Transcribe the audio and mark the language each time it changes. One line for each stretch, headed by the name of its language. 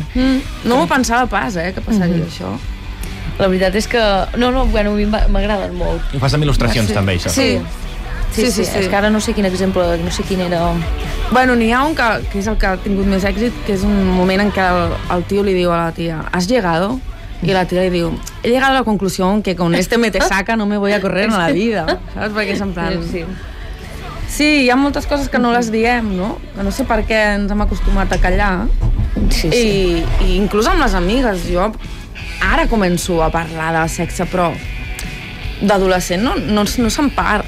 Catalan: Mm. No m'ho pensava pas, que passaria això. La veritat és que... No, bueno, a mi m'agraden molt. Ho fas amb il·lustracions, també, això. Sí. És que ara no sé quin exemple, no sé quin era... Bueno, n'hi ha un que és el que ha tingut més èxit, que és un moment en què el tio li diu a la tia,
Spanish: has llegado?
Catalan: I la tia li diu,
Spanish: he llegado a la conclusión que con este me te saca no me voy a correr en la vida.
Catalan: Saps? Perquè és en plan... Sí, hi ha moltes coses que no les diem, no? Que no sé per què ens hem acostumat a callar. Sí. I inclús amb les amigues, jo ara començo a parlar de sexe, però d'adolescent no se'n parla.